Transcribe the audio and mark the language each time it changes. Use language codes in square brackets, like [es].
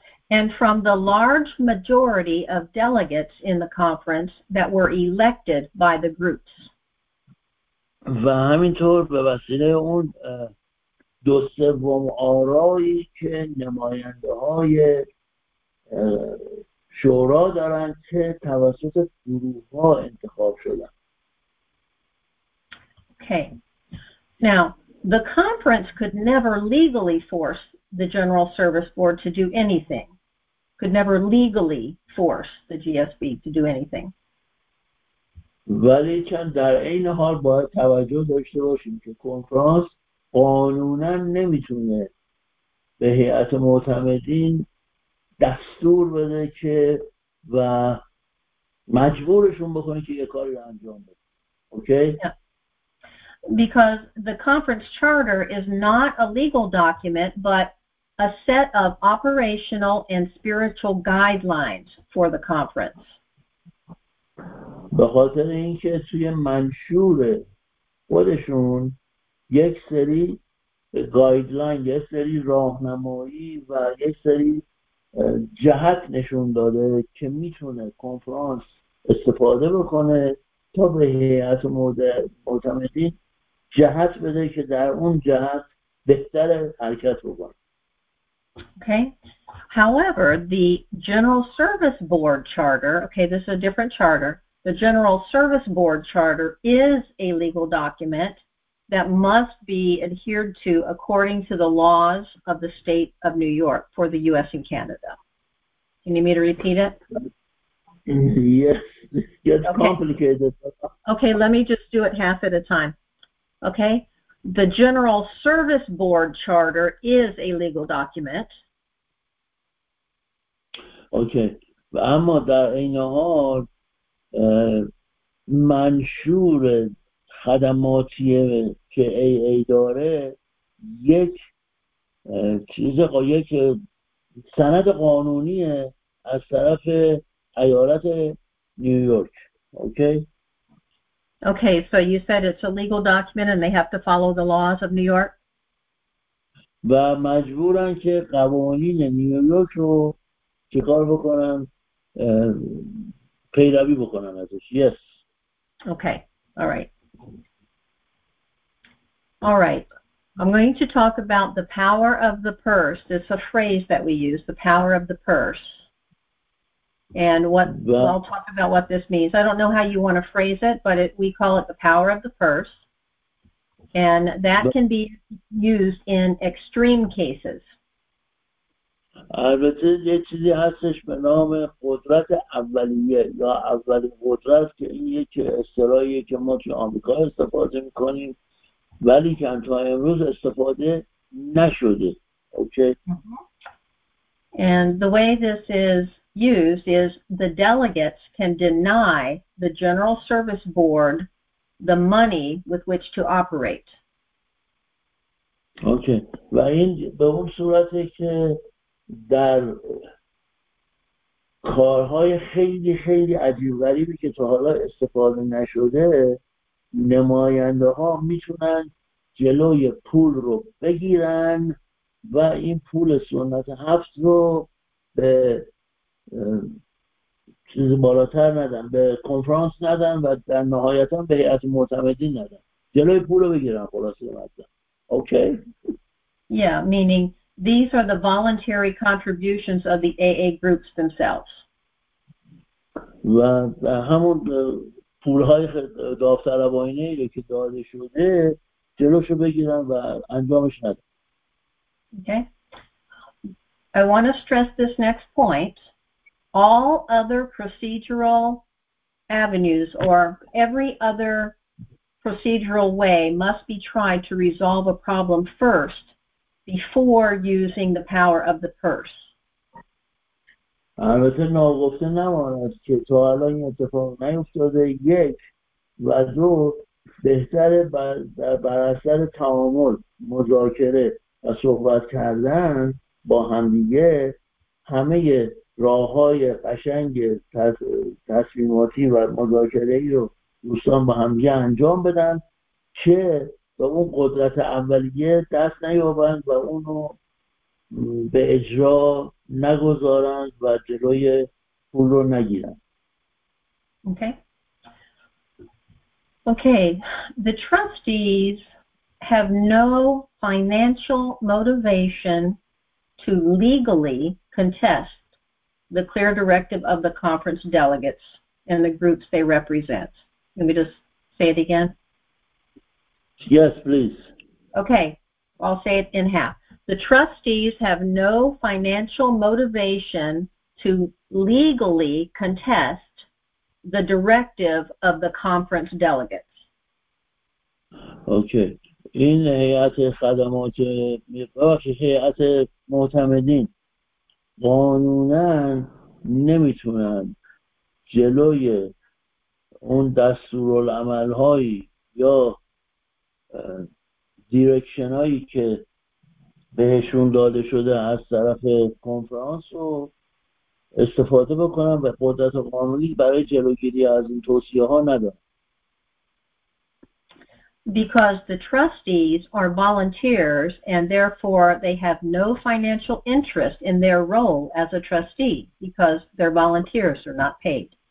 [en] And from the large majority of delegates in the conference that were elected by the groups. [fa] و همینطور به وسیله اون دو سوم آرایی که نماینده های شورا دارن که توسط گروه ها انتخاب شدن. [en] Okay. Now, the conference could never legally force the General Service Board to do anything. Could never legally force the GSB to do anything. [fa] ولی چند در این حال باید توجه داشته باشیم که کنفرانس قانوناً نمیتونه به هیئت معتمدین دستور بده که و مجبورشون بکنه که یه کاری انجام بده. [en] Okay? Because the conference charter is not a legal document, but a set of operational and spiritual guidelines for the conference. [fa] به خاطر اینکه توی منشور خودشون یک سری گایدلاین، یک سری راهنمایی و یک سری جهت نشون داده که میتونه کنفرانس استفاده بکنه تا به هیئت معتمدین جهت بده که در اون جهت بهتر حرکت بکنه. [en] Okay. However, the General Service Board Charter, okay, this is a different charter. The General Service Board Charter is a legal document that must be adhered to according to the laws of the state of New York for the U.S. and Canada. Can you need me to repeat it? Yes, it's complicated. Okay, let me just do it half at a time. Okay, the General Service Board Charter is a legal document. [fa] Okay, اما در این حال منشور خدماتی که AA داره یک چیز یک سند قانونی از طرف ایالت نیویورک. [en] Okay, so you said it's a legal document and they have to follow the laws of New York? [fa] و مجبورن که قوانین نیویورک رو چیکار بکنن؟ پیروی بکنن ازش. [en] Yes. Okay. All right. I'm going to talk about the power of the purse. It's a phrase that we use, the power of the purse. And I'll talk about what this means. I don't know how you want to phrase it, but we call it the power of the purse. And that can be used in extreme cases. [fa] البته یه چیزی هستش به نام قدرت اولیه یا اول قدرت که این یک اصطلاحیه که ما توی آمریکا استفاده میکنیم ولی که تا امروز استفاده نشده. [en] Okay. And the way this is used is the delegates can deny the General Service Board the money with which to operate. Okay. [fa] و این به اون صورته که در کارهای خیلی خیلی عجیب غریبی که تا حالا استفاده نشده نماینده ها میتونن جلوی پول رو بگیرن و این پول سنت هفت رو به چیز بالاتر ندن، به کنفرانس ندن و در نهایتا به هیئت معتمدین ندن، جلوی پول رو بگیرن. خلاصه مطلب. اوکی. [en] Yeah, meaning these are the voluntary contributions of the AA groups themselves. [fa] و همون پولهای داوطلبانه ای که داده شده جلوشو بگیرن و انجامش ندن. [en] Okay. I want to stress this next point. All other procedural avenues or every other procedural way must be tried to resolve a problem first before using the power of the purse. [fa] البته ناگفته نماند که تا الان این اتفاق نیفتاده. یک و دو، بهتره بر اثر تعامل، مذاکره و صحبت کردن با همدیگه همه راه های قشنگ تصمیماتی و مذاکره ای رو دوستان با همدیگه انجام بدن که به اون قدرت اولیه دست نیابند و اونو به اجرا نگذارند و جلوی پول رو نگیرند. [en] Okay. Okay, the trustees have no financial motivation to legally contest the clear directive of the conference delegates and the groups they represent. Let me just say it again. Yes, please. Okay, I'll say it in half. The trustees have no financial motivation to legally contest the directive of the conference delegates. Okay. [fa] این هیئت خدمات میفرخش هیئت معتمدین قانونن نمیتونن جلوی اون دستورالعمل هایی یا دیرکشن هایی که بهشون داده شده از طرف کنفرانس رو استفاده بکنن و قدرت قانونی برای جلوگیری از این توصیه ها ندارن. [en] Because the trustees are volunteers and therefore they have no financial interest in their role as a trustee because their volunteers are not paid.